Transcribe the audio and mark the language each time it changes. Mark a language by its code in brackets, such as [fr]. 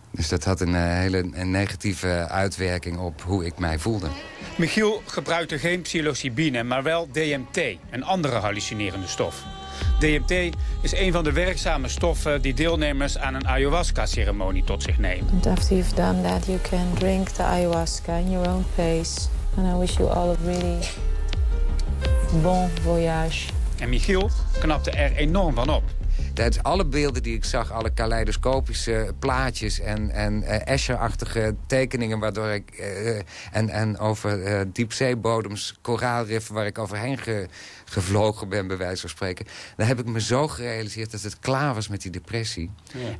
[nl] Dus dat had een hele negatieve uitwerking op hoe ik mij voelde. Michiel gebruikte geen psilocybine, maar wel DMT, een andere hallucinerende stof. DMT is een van de werkzame stoffen die deelnemers aan een ayahuasca-ceremonie tot zich nemen. [en] And after you've done that, you can drink the ayahuasca in your own pace. And I wish you all a really bon voyage. [nl] En Michiel knapte er enorm van op. Tijdens alle beelden die ik zag, alle kaleidoscopische plaatjes en Escher-achtige tekeningen, waardoor ik over diepzeebodems, koraalriffen waar ik overheen gevlogen ben, bij wijze van spreken, dan heb ik me zo gerealiseerd dat het klaar was met die depressie. Ja.